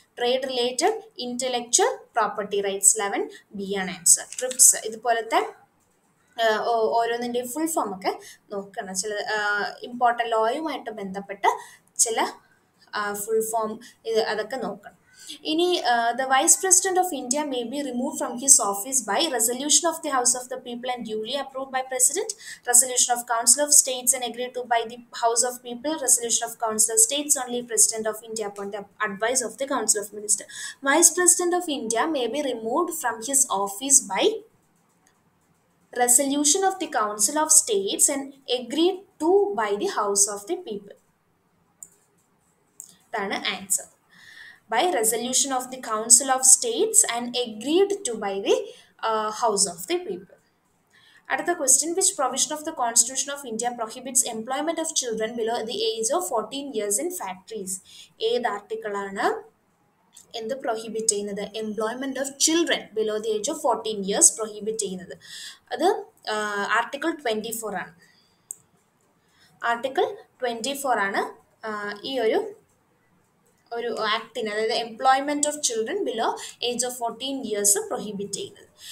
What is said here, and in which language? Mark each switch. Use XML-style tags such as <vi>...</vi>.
<en>Trade Related Intellectual Property Rights,</en> <ml>11B ആണ് answer. TRIPS ഇതുപോലത്തെ ഓരോന്നിൻ്റെയും ഫുൾ ഫോം ഒക്കെ നോക്കണം. ചില ഇമ്പോർട്ടൻ്റ് ലോയുമായിട്ട് ബന്ധപ്പെട്ട ചില ഫുൾ ഫോം ഇത് അതൊക്കെ നോക്കണം. ഇനി,</ml> <en>The vice president of India may be remove from his office by resolution of the house of the people and duly approved by president, resolution of council of states and agree to by the house of people, resolution of council of states only president of India appoint advise of the council of minister. Vice president of India may be remove from his office by resolution of the council of states and agree to by the house of the people.</en> <ml>ഇതാണ് answer.</ml> <en>By resolution of the Council of States and agreed to by the House of the People.</en> <ml>അടുത്ത</ml> <en>question, which provision of the Constitution of India prohibits employment of children below the age of 14 years in factories?</en> <ml>ഏത് ആർട്ടിക്കിളാണ് എന്ത് prohibit ചെയ്യുന്നത്?</ml> <en>employment of children below the age of 14 years prohibit</en> <ml>ചെയ്യുന്നത്, അത് article 24 ആണ്. Article 24 ആണ് ഈ ഒരു ഒരു ആക്ടിന്, അതായത്</ml> <en>employment of children below age of 14 years prohibit</en> <ml>ചെയ്യുന്നത്.</ml>